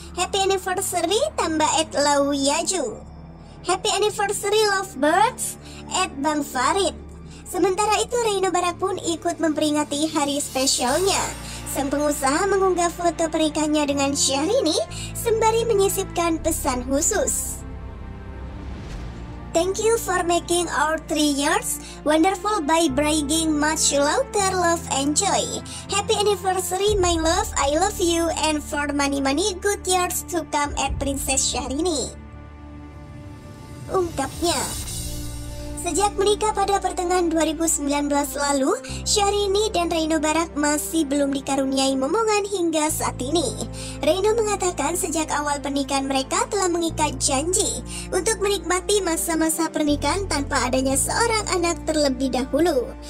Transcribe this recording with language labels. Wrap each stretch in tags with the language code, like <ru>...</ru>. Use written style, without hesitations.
<en>Happy anniversary, tambah at Lau Yaju. Happy anniversary, lovebirds, at Bang Farid.</en> <id>Sementara itu, Reino Barak pun ikut memperingati hari spesialnya. Sang pengusaha mengunggah foto pernikahannya dengan Syahrini sembari menyisipkan pesan khusus.</id> <en>Thank you for making our 3 years wonderful by bringing much louder love and joy. Happy anniversary, my love, I love you, and for many good years to come at Princess Syahrini.</en> <id>Ungkapnya. Sejak menikah pada pertengahan 2019 lalu, Syahrini dan Reino Barak masih belum dikaruniai momongan hingga saat ini. Reino mengatakan sejak awal pernikahan mereka telah mengikat janji untuk menikmati masa-masa pernikahan tanpa adanya seorang anak terlebih dahulu.</id>